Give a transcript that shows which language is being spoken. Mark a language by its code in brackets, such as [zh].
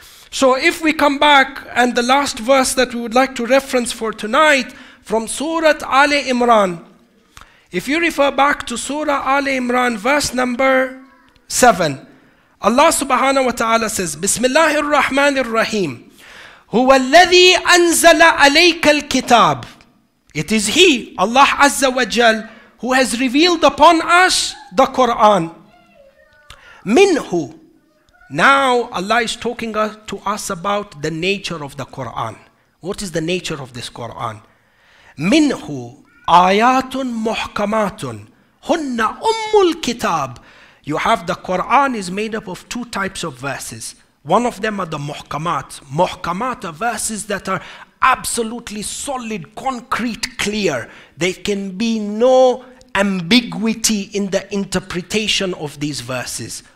[en] So if we come back, and the last verse that we would like to reference for tonight from Surah Ali Imran. If you refer back to Surah Ali Imran, verse number 7, Allah subhanahu wa ta'ala says, [ar] Bismillahir Rahmanir Rahim. هو الذي أنزل عليك الكتاب. [en] It is He, Allah Azza wa Jal, who has revealed upon us the Quran. [ar] منه. [en] Now Allah is talking to us about the nature of the Quran. What is the nature of this Quran? [ar] منه آيات محكمات هن أم الكتاب. [en] You have the Quran is made up of two types of verses. One of them are the muhkamat. Muhkamat are verses that are absolutely solid, concrete, clear. There can be no ambiguity in the interpretation of these verses.